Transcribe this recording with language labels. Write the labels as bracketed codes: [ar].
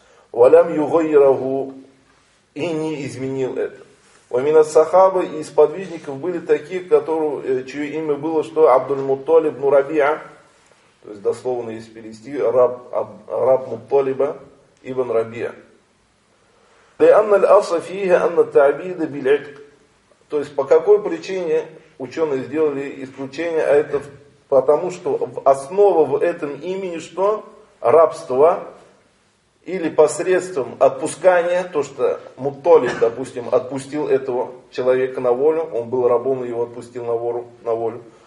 [ar] Валям югайрагу. [ru] И не изменил это. Вамина сахабы из подвижников были такие, которые, чье имя было, что Абдул-Муталиб, Нурабия. То есть дословно из перевести раб муталиба ибн рабия. [ar] لأن الأصل فيها أن التعبيد بالعتق. [ru] То есть по какой причине ученые сделали исключение, а это потому, что основа в этом имени что? Рабство или посредством отпускания, то что муталиб, допустим, отпустил этого человека на волю, он был рабом и его отпустил на волю.